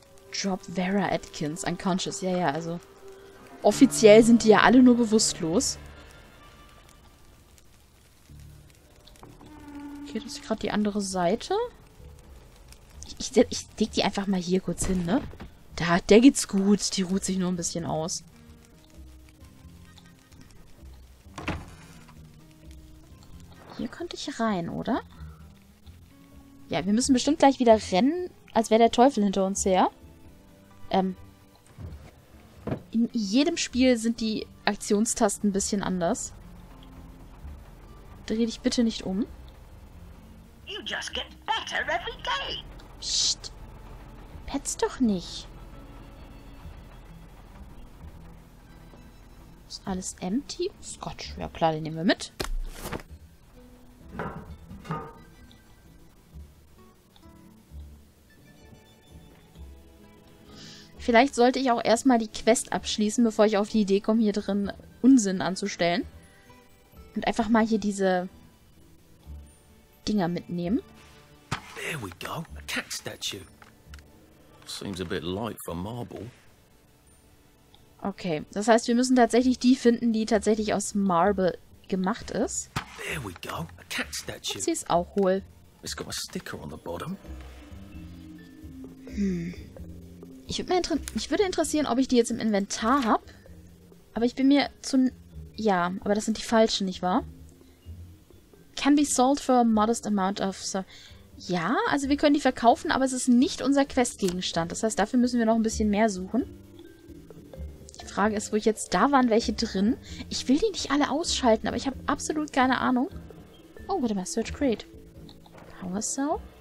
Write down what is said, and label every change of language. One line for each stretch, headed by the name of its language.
English: Drop Vera Atkins, unconscious.
German: Ja, ja, also offiziell sind die ja alle nur bewusstlos. Okay, das ist gerade die andere Seite. Ich leg die einfach mal hier kurz hin, ne? Da, der geht's gut. Die ruht sich nur ein bisschen aus. Hier könnte ich rein, oder? Ja, wir müssen bestimmt gleich wieder rennen, als wäre der Teufel hinter uns her. In jedem Spiel sind die Aktionstasten ein bisschen anders. Dreh dich bitte nicht um.
English: You just get better every day.
German: Psst. Petz doch nicht. Ist alles empty? Scotch. Ja klar, den nehmen wir mit. Vielleicht sollte ich auch erstmal die Quest abschließen, bevor ich auf die Idee komme, hier drin Unsinn anzustellen. Und einfach mal hier diese Dinger mitnehmen.
English: There we go, a cat statue. Seems a bit light for marble.
German: Okay, das heißt, wir müssen tatsächlich die finden, die tatsächlich aus Marble gemacht ist.
English: There we go, a cat statue.
German: Sie ist auch hohl.
English: It's got a sticker on the bottom.
German: Mich würde interessieren, ob ich die jetzt im Inventar habe. Aber ich bin mir zu... Ja, aber das sind die falschen, nicht wahr?
English: Can be sold for a modest amount of...
German: Ja, also wir können die verkaufen, aber es ist nicht unser Questgegenstand. Das heißt, dafür müssen wir noch ein bisschen mehr suchen. Die Frage ist, wo ich jetzt... Da waren welche drin. Ich will die nicht alle ausschalten, aber ich habe absolut keine Ahnung. Oh, warte mal.
English: Search Crate. Power Cell.